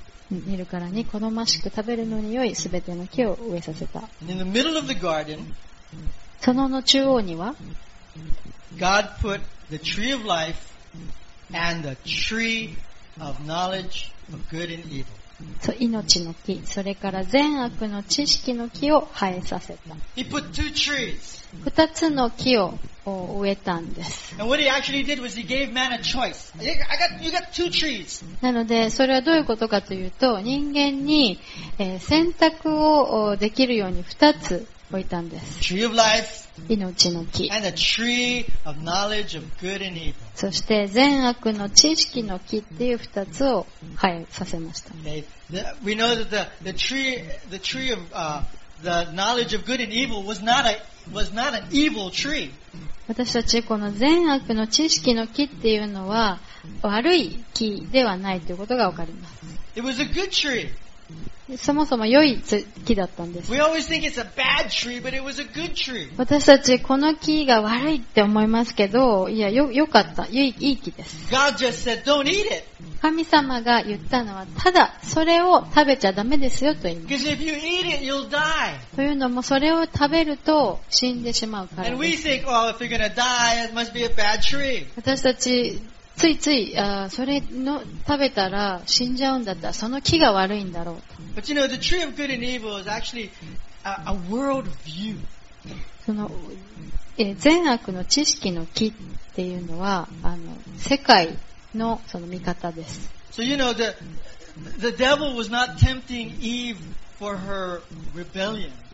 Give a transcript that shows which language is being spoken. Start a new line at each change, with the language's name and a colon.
Japanese: 見るからに好ましく食べるのに良いすべての木を植えさせた。
English: Garden,
Japanese: その中央には
English: God put the tree of life and the tree of knowledge of good and evil.
Japanese: 命の木、それから善悪の知識の木を生えさせた。
English: He put two trees.
Japanese: 2つの木を植えたんです。
English: And what he actually did was he gave man a choice. You got two trees.
Japanese: なのでそれはどういうことかというと、人間に選択をできるように2つ置いたんです。
English: Tree of life.
Japanese: 命の木。
English: And a tree of knowledge of good and evil.
Japanese: そして善悪の知識の木っていう二つを生えさせました。
English: We know that the tree of the knowledge of good and evil was not an evil tree.
Japanese: 私たちこの善悪の知識の木っていうのは悪い木ではないということがわかります。
English: It was a good tree.
Japanese: そもそも良い木だったんです。
English: We always think it's a bad tree, but it was a good tree.
Japanese: 私たちこの木が悪いって思いますけど、いや、よかった、いい木です。
English: God just said, don't eat it.
Japanese: 神様が言ったのは、ただそれを食べちゃダメですよと言います
English: Because if you eat it, you'll die.
Japanese: というのもそれを食べると死んでしまうからです。
English: And we think, well, if you're going to die, it must be a bad tree.
Japanese: 私たちついつい、それの食べたら死んじゃうんだったら、その木が悪いんだろうと。
English: But you know, the tree of good and evil is actually a world view.
Japanese: その、善悪の知識の木っていうのは、世界のその見方です。
English: So you know, the devil was not tempting Eve for her rebellion.